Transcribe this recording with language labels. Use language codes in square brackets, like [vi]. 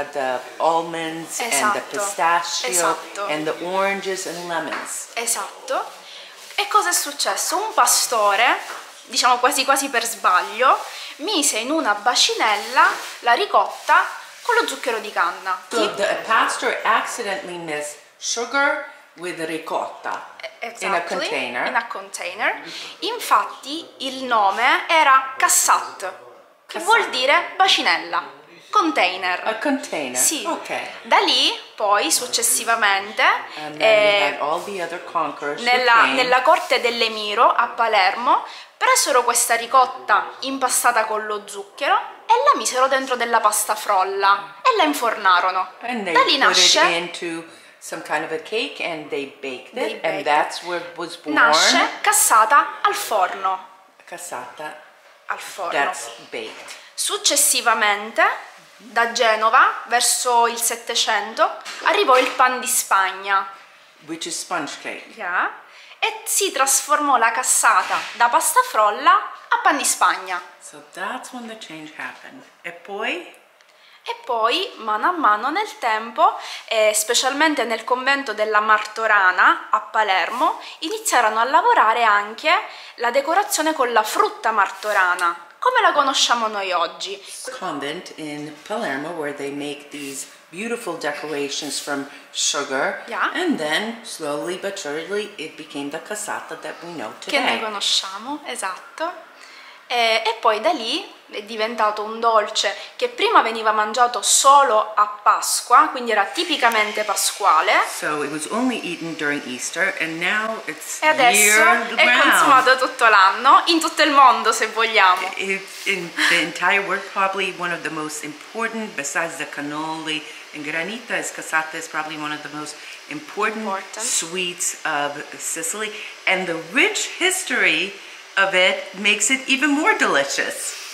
[en] the almonds, [it] esatto, [en] and the pistachio, [it] esatto, [en] and the oranges and lemons. [it] Esatto. E cosa è successo? Un pastore, diciamo quasi per sbaglio, mise in una bacinella la ricotta con lo zucchero di canna. [en] So the pastor accidentally missed sugar with ricotta. Exactly, in a container. [it] Infatti il nome era cassat, che vuol dire bacinella, container. [en] A container. [it] Sì. [en] Okay. [it] Da lì poi successivamente nella corte dell'emiro a Palermo presero questa ricotta impastata con lo zucchero e la misero dentro della pasta frolla e la infornarono. Da lì nasce [en] some kind of a cake and they baked it and that's where it was born. [it] Nasce cassata al forno. Cassata al forno. [en] That's baked. [it] Successivamente da Genova verso il 700 arrivò il pan di Spagna, [en] which is sponge cake. Yeah. [it] E si trasformò la cassata da pasta frolla a pan di Spagna. [en] So that's when the change happened. [it] E poi mano a mano nel tempo, specialmente nel convento della Martorana a Palermo, iniziarono a lavorare anche la decorazione con la frutta martorana, come la conosciamo noi oggi. [en] Convent in Palermo where they make these beautiful decorations from sugar. Yeah. And then slowly but surely it became the cassata that we know today. [it] Che noi conosciamo, esatto. E poi da lì è diventato un dolce che prima veniva mangiato solo a Pasqua, quindi era tipicamente pasquale. [en] So it was only eaten during Easter and now it's [it] e adesso [en] year [it] è consumato tutto l'anno, in tutto il mondo se vogliamo. [en] In the entire world, probably one of the most important, besides the cannoli and granita, is cassata, is probably one of the most important sweets of Sicily. And the rich history of it makes it even more delicious.